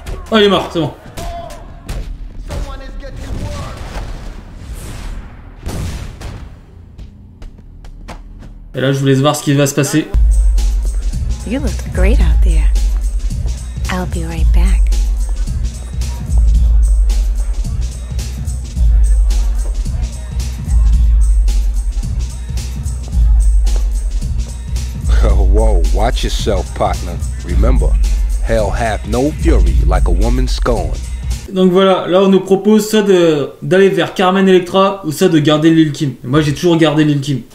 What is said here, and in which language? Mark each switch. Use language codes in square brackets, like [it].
[fr] Oh, il est mort, c'est bon. Et là, je vous laisse voir ce qui va se passer. [en] You look great out there. I'll be right back. Whoa, watch yourself, partner. Remember, hell hath no fury like a woman scorned. [fr] Donc voilà, là on nous propose soit d'aller vers Carmen Electra ou soit de garder Lil' Kim. Moi j'ai toujours gardé Lil' Kim.